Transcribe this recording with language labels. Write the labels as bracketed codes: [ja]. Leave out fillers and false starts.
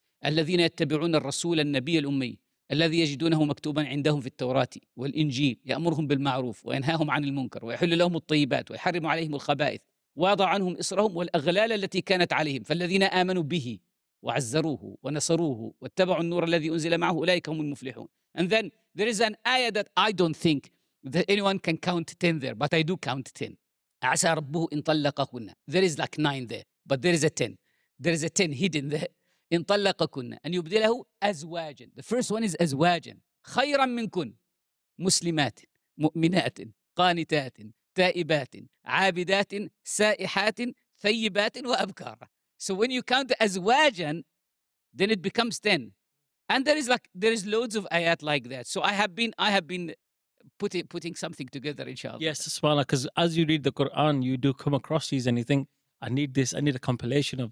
[ar] الذين يتبعون الرسول النبي الأمي الذي يجدونه مكتوبا عندهم في التوراة والإنجيل، يأمرهم بالمعروف وينهاهم عن المنكر ويحل لهم الطيبات ويحرم عليهم الخبائث ويضع عنهم إصرهم والأغلال التي كانت عليهم، فالذين آمنوا به وعزروه ونصروه واتبعوا النور الذي أنزل معه أولئك هم المفلحون. [en] And then there is an ayah that I don't think that anyone can count 10 there, but I do count 10. [ar] عسى ربه إن طلقهن. [en] There is like 9 there, but there is a 10. There is a 10 hidden there. [ar] إن طلقكن أن يبدله أزواجا. [en] The first one is أزواجا. [ar] خيرا منكن. مسلمات، مؤمنات، قانتات، تائبات، عابدات، سائحات، ثيبات وأبكار. [en] So when you count the أزواجا, then it becomes 10. And there is loads of ayat like that. So I have been putting something together, inshallah. Yes, subhanAllah, because as you read the Quran, you do come across these and you think, I need this. I need a compilation of